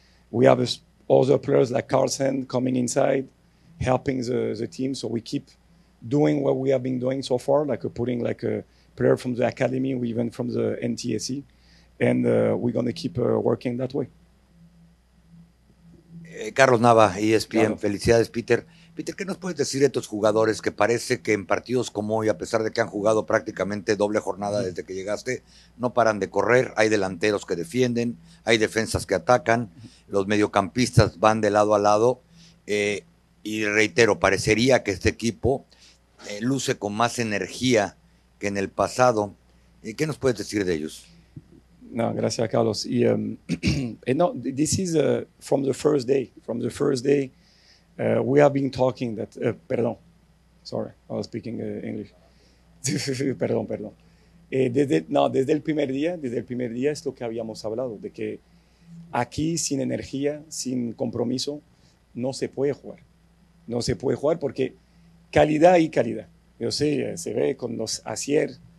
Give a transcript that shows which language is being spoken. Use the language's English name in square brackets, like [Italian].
[English] We have other players like Carlsen coming inside, helping the team. So we keep doing what we have been doing so far, like putting like a player from the academy, or even from the NTSC. And we're going to keep working that way. [Spanish] Carlos Nava, ESPN. Claro. Felicidades, Peter. Peter, ¿qué nos puedes decir de estos jugadores que parece que en partidos como hoy, a pesar de que han jugado prácticamente doble jornada desde que llegaste, no paran de correr? Hay delanteros que defienden, hay defensas que atacan, los mediocampistas van de lado a lado. Y reitero, parecería que este equipo luce con más energía que en el pasado. ¿Qué nos puedes decir de ellos? No, gracias, Carlos. Y, no, [English] this is from the first day. From the first day, we have been talking that. [Spanish] Perdón, [English] sorry, I was speaking English. [Spanish] perdón. Desde el primer día, es lo que habíamos hablado, de que aquí sin energía, sin compromiso, no se puede jugar. No se puede jugar porque calidad y calidad. Yo sé, se ve con los ayer.